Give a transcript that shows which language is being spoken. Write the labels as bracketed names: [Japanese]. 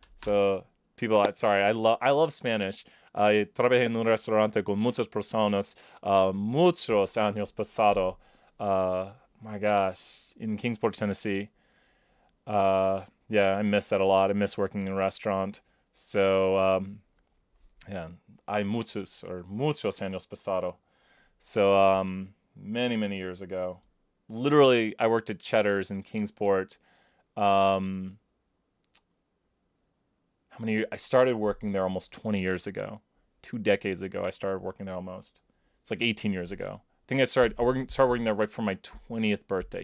[English] So people, sorry, I love Spanish. [Spanish] I trabajé en un restaurante con muchas personas, muchos años pasado. [English] My gosh, in Kingsport, Tennessee. Yeah, I miss that a lot. I miss working in a restaurant. So, yeah. [Spanish] Hay muchos or muchos años pasado. [English] So, many, many years ago. Literally, I worked at Cheddar's in Kingsport. How many years? I started working there almost 20 years ago. 2 decades ago, I started working there almost. It's like 18 years ago. I think I started working there right for my 20th birthday.